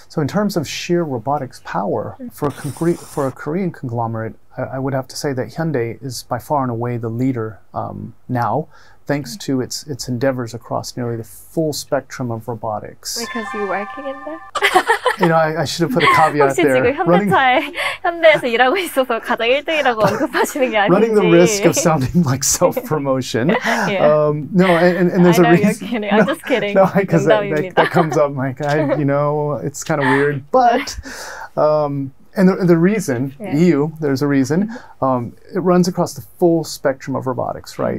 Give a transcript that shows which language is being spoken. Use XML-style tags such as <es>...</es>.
<en>So in terms of sheer robotics power, for a Korean conglomerate, I would have to say that Hyundai is by far and away the leader now, thanks mm-hmm. to its endeavors across nearly the full spectrum of robotics. Because you're working in there? You know, I should have put a caveat there.</en> <ko>현대차에서 일하고 있어서 가장 1등이라고 언급하시는 게 아닌지.</ko> <en>Running the risk of sounding like self-promotion. Yeah. No, and there's I know, reason. You're kidding. I'm just kidding. No, because that comes up like, I, you know, it's kind of weird. But, and the reason, yeah. EU, there's a reason, it runs across the full spectrum of robotics, right?</en>